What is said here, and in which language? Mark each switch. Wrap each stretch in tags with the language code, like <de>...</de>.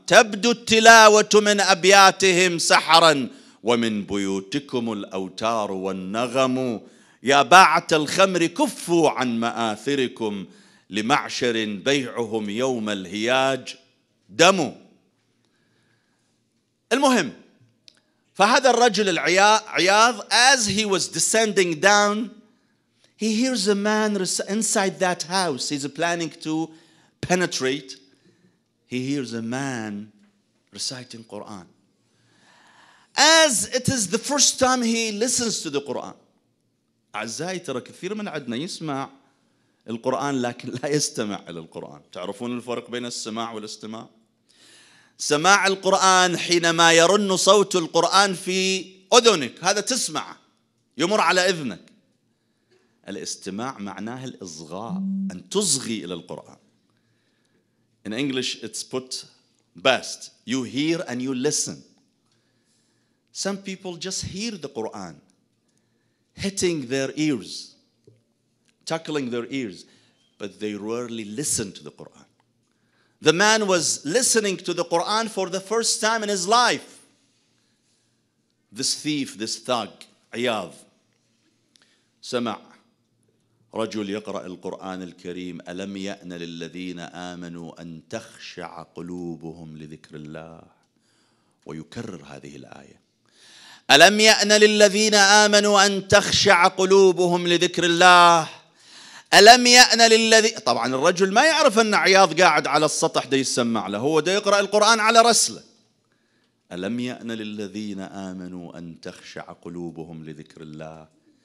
<ar>تبدو التلاوة من أبياتهم سحرا ومن بيوتكم الأوتار والنغم. يا باعة الخمر كفوا عن مآثركم لمعشر بيعهم يوم الهياج دم. المهم، فهذا الرجل عياض</ar> <en>as he was descending down he hears a man inside that house he's planning to penetrate. He hears a man reciting Quran. As it is the first time he listens to the Quran.</en> <ar>أعزائي ترى كثير من عندنا يسمع القرآن لكن لا يستمع إلى القرآن. تعرفون الفرق بين السماع والاستماع؟ سماع القرآن حينما يرن صوت القرآن في أذنك هذا تسمع يمر على إذنك. الاستماع معناه الإصغاء، أن تصغي إلى القرآن.</ar> <en>In English, it's put best. You hear and you listen. Some people just hear the Quran hitting their ears, tackling their ears, but they rarely listen to the Quran. The man was listening to the Quran for the first time in his life. This thief, this thug,</en> <ar>عياض, سمع رجل يقرأ القرآن الكريم ألم يأن للذين آمنوا أن تخشع قلوبهم لذكر الله ويكرر هذه الآية ألم يأن للذين آمنوا أن تخشع قلوبهم لذكر الله ألم يأن للذين طبعا الرجل ما يعرف أن عياض قاعد على السطح دي يسمع له هو دي يقرأ القرآن على رسله ألم يأن للذين آمنوا أن تخشع قلوبهم لذكر الله.</ar>